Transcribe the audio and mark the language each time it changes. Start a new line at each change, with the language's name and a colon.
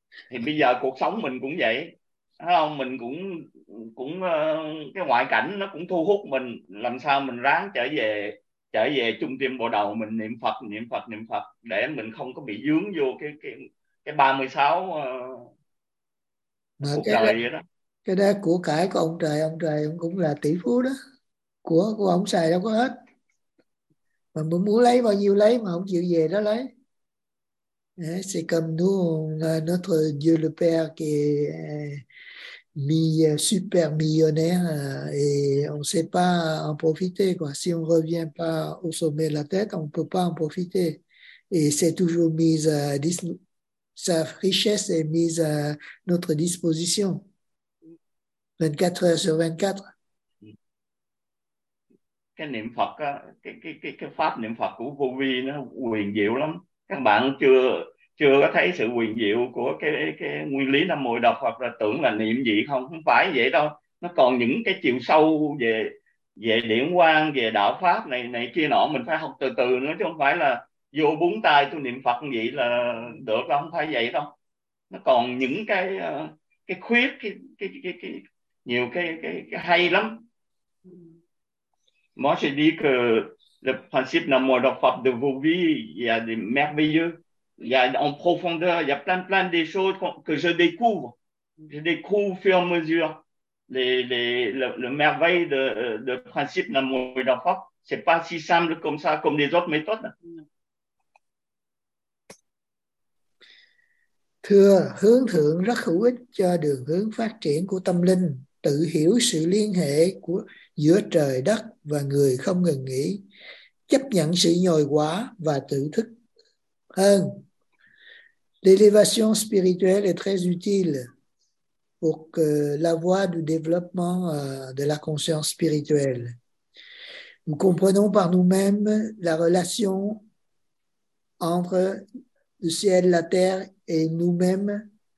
Vietnamese: Thì bây giờ cuộc sống mình cũng vậy. Không, mình cũng cái ngoại cảnh nó cũng thu hút mình, làm sao mình ráng trở về trung tâm bộ đầu mình, niệm Phật để mình không có bị vướng vô cái 36 cuộc đời vậy đó. Cái đó của cải của ông trời ông cũng là tỷ phú đó, của ông xài đâu có hết, mà muốn lấy bao nhiêu lấy mà không chịu về đó lấy.
French: C'est comme nous, on a notre Dieu le Père qui est super millionnaire et on ne sait pas en profiter. Quoi. Si on ne revient pas au sommet de la tête, on ne peut pas en profiter. Et c'est toujours mise à sa richesse est mise à notre disposition 24 heures sur 24.
Vietnamese: Cái niệm Phật, cái pháp niệm Phật của vô vi nó huyền diệu lắm. Các bạn chưa có thấy sự huyền diệu của cái nguyên lý năm mùi độc hoặc là tưởng là niệm gì, không phải vậy đâu. Nó còn những cái chiều sâu về điển quang, về đạo pháp này kia nọ, mình phải học từ từ nữa, chứ không phải là vô búng tay tôi niệm Phật vậy là được đâu, không phải vậy đâu. Nó còn những cái khuyết, cái nhiều cái hay lắm.
French: Moi je dis que le principe Nam Mô A Di Đà Phật de vos vies, il y a des merveilleux. Il y a en profondeur, il y a plein de choses que je découvre. Je découvre au fur et à mesure le merveille de principe Nam Mô A Di Đà Phật. C'est pas si simple comme ça, comme les autres méthodes.
Vietnamese: Thưa, hướng thượng rất hữu ích cho đường hướng phát triển của tâm linh. Tự hiểu sự liên hệ của giữa trời đất và người không ngừng nghỉ. Chấp nhận sự nhồi quá và tự thức hơn.
French: L'élévation spirituelle est très utile pour que la voie du développement de la conscience spirituelle. Nous comprenons par nous-mêmes la relation entre le ciel, la terre et nous-mêmes.